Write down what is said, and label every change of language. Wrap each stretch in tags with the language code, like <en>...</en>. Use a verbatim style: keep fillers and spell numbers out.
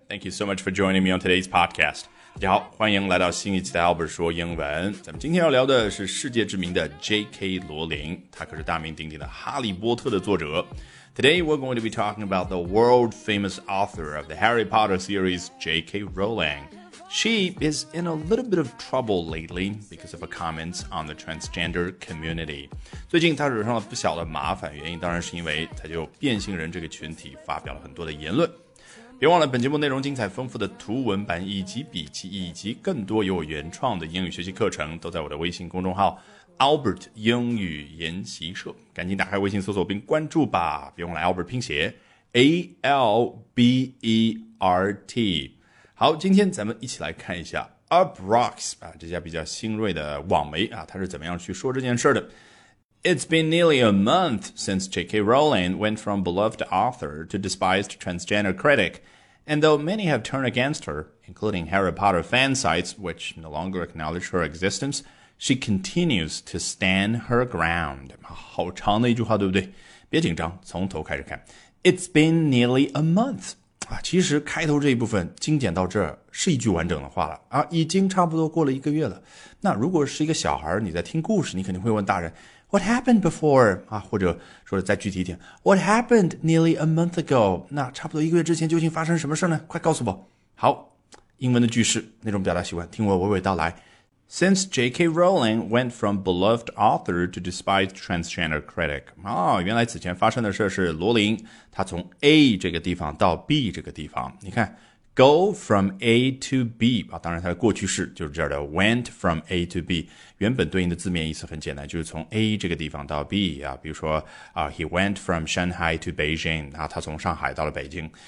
<en>Thank you so much for joining me on today's podcast.</en> <zh>大家好，欢迎来到新一期的 Albert 说英文。咱们今天要聊的是世界知名的 J K 罗琳，他可是大名鼎鼎的《哈利波特》的作者。</zh> <en>Today we're going to be talking about the world famous author of the Harry Potter series, J K Rowling. She is in a little bit of trouble lately because of her comments on the transgender community.</en> <zh>最近她惹上了不小的麻烦，原因当然是因为她就变性人这个群体发表了很多的言论。别忘了本节目内容精彩丰富的图文版以及笔记以及更多有原创的英语学习课程都在我的微信公众号 Albert 英语研习社，赶紧打开微信搜索并关注吧。别忘了 Albert 拼写 A L B E R T。好，今天咱们一起来看一下 Up Rocks 啊，这家比较新锐的网媒啊，它是怎么样去说这件事的。</zh> <en>It's been nearly a month since J K Rowling went from beloved author to despised transgender critic, and though many have turned against her, including Harry Potter fan sites, which no longer acknowledge her existence, she continues to stand her ground.</en> <zh>好长的一句话，对不对？别紧张，从头开始看。</zh> <en>It's been nearly a month.</en> <zh>啊，其实开头这一部分精简到这儿是一句完整的话了啊，已经差不多过了一个月了。那如果是一个小孩你在听故事，你肯定会问大人</zh> <en>What happened before?</en> <zh>啊，或者说的再具体一点</zh> <en>What happened nearly a month ago?</en> <zh>那差不多一个月之前究竟发生什么事呢？快告诉我。好，英文的句式那种表达习惯，听我娓娓道来。</zh> <en>Since J K Rowling went from beloved author to despised transgender critic.</en> <zh>哦，原来此前发生的事是罗琳，她从 A 这个地方到 B 这个地方。你看</zh> <en>go from A to B，</en> <zh>啊，当然它的过去式就是这儿的</zh> <en>went from A to B，</en> <zh>原本对应的字面意思很简单，就是从 A 这个地方到 B，啊，比如说，啊，</zh> <en>he went from Shanghai to Beijing，</en> <zh>啊，他从上海到了北京。</zh>